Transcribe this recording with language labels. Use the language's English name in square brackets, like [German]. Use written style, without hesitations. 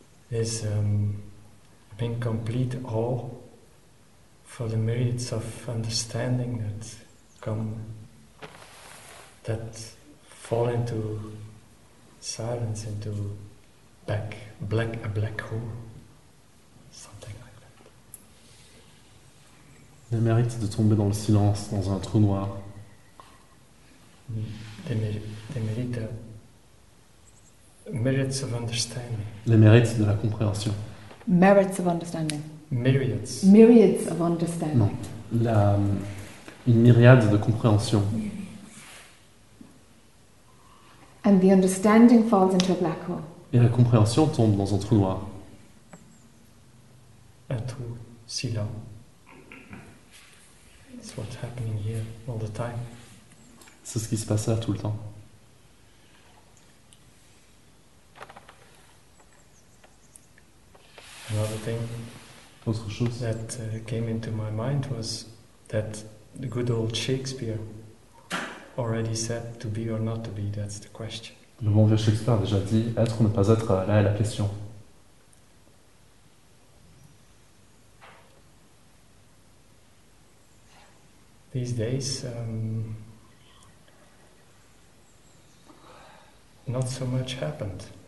[English] Is being complete awe for the merits of understanding that come that fall into silence, into black hole. [French] Le mérite de tomber dans le silence, dans un trou noir. [English] Merits of understanding. [French] Les mérites de la compréhension. [English] Merits of understanding. Myriads. Myriads of understanding. [French] Non. Une myriade de compréhension. [English] And the understanding falls into a black hole. [French] Et la compréhension tombe dans un trou noir. Un trou silent. [English] It's what's happening here all the time. [French] C'est ce qui se passe là tout le temps. [English] Another thing. [French] Autre chose. [English] That came into my mind was that the good old Shakespeare already said to be or not to be. That's the question. [French] Le bon vieux Shakespeare a déjà dit être ou ne pas être. Là est la question. [English] These days, not so much happened.